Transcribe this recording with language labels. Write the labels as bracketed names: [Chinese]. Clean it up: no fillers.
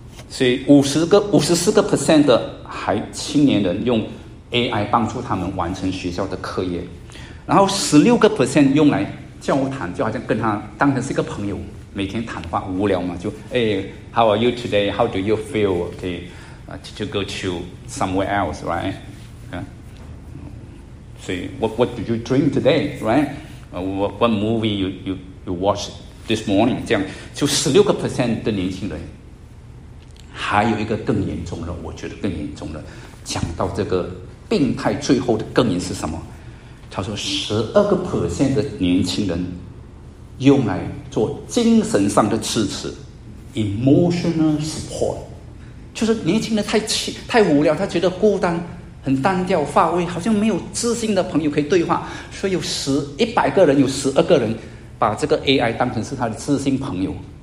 [Chinese] 所以54% 的还青年人用 AI 帮助他们完成学校的课业，然后16% 用来交谈，就好像跟他当成是一个朋友，每天谈话无聊嘛，就 [English] How are you today? How do you feel? Okay, to go to somewhere else, right? Okay. So what did you dream today, right? What movie you watch this morning? [Chinese] 这样，就16% 的年轻人。还有一个更严重的，我觉得更严重的，讲到这个病态最后的根源是什么？他说12% 的年轻人用来做精神上的支持 emotional support， 就是年轻人太无聊，他觉得孤单很单调乏味，好像没有知心的朋友可以对话，所以100个人有12个人把这个 AI 当成是他的知心朋友。